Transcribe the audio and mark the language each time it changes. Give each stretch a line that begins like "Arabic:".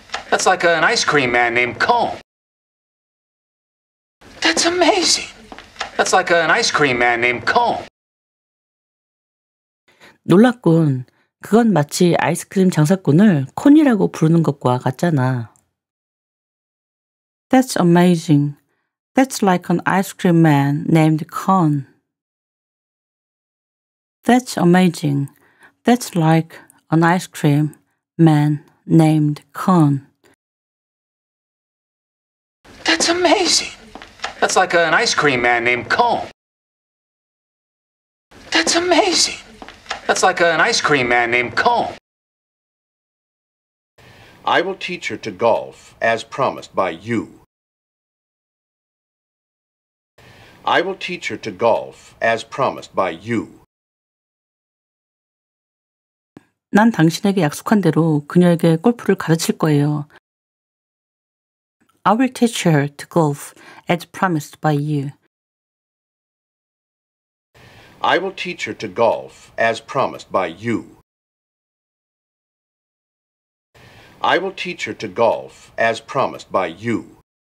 English: That's like an ice cream man named Cone. That's amazing. That's like an ice cream man named Cone.
Korean: 놀랐군. 그건 마치 아이스크림 장사꾼을 콘이라고 부르는 것과 같잖아.
English: That's amazing. That's like an ice cream man named Cone. That's amazing. That's like an ice cream man named Con. That's amazing. That's like an ice cream man named Con. That's amazing. That's like an ice cream man named Con. I will teach her to golf as promised by you. I will teach her to golf as promised by you.
Korean: 난 당신에게 약속한 대로 그녀에게 골프를 가르칠 거예요.
English: I will teach her to golf as promised by you. I will teach her to golf as promised by you. I will teach her to golf as promised by you.